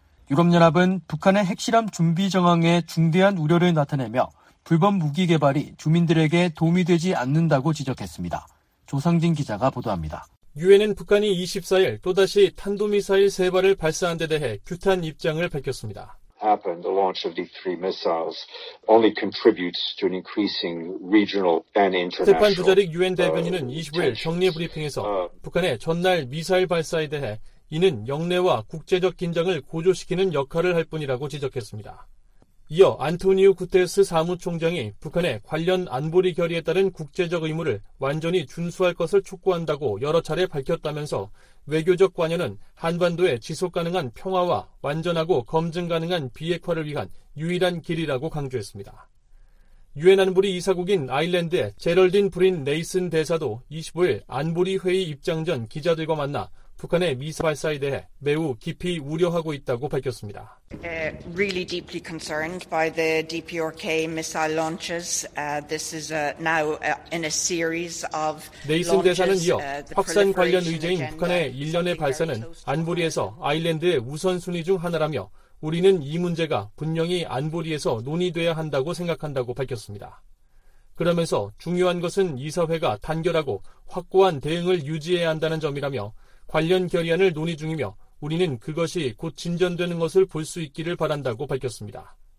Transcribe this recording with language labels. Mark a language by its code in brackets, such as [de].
[ko] 유럽연합은 북한의 핵실험 준비 정황에 중대한 우려를 나타내며 불법 무기 개발이 주민들에게 도움이 되지 않는다고 지적했습니다. 조상진 기자가 보도합니다. 유엔은 북한이 24일 또다시 탄도미사일 세 발을 발사한 데 대해 규탄 입장을 밝혔습니다. [en] Happened. The launch of these three missiles only contributes to an increasing regional and international. [ko] 스테판 두자릭 유엔 대변인은 25일 정례 브리핑에서 북한의 전날 미사일 발사에 대해 이는 영내와 국제적 긴장을 고조시키는 역할을 할 뿐이라고 지적했습니다. 이어 안토니오 구테스 사무총장이 북한의 관련 안보리 결의에 따른 국제적 의무를 완전히 준수할 것을 촉구한다고 여러 차례 밝혔다면서 외교적 관여는 한반도의 지속가능한 평화와 완전하고 검증가능한 비핵화를 위한 유일한 길이라고 강조했습니다. 유엔 안보리 이사국인 아일랜드의 제럴딘 브린 네이슨 대사도 25일 안보리 회의 입장 전 기자들과 만나 북한의 미사일 발사에 대해 매우 깊이 우려하고 있다고 밝혔습니다. [en] Really deeply concerned by the DPRK missile launches. This is now in a series of. [ko] 네이슨 대사는 이어 확산 관련 의제인 북한의 일련의 발사는 안보리에서 아일랜드의 우선순위 중 하나라며 우리는 이 문제가 분명히 안보리에서 논의돼야 한다고 생각한다고 밝혔습니다. 그러면서 중요한 것은 이사회가 단결하고 확고한 대응을 유지해야 한다는 점이라며 관련 결의안을 논의 중이며 우리는 그것이 곧 진전되는 것을 볼 수 있기를 바란다고 밝혔습니다.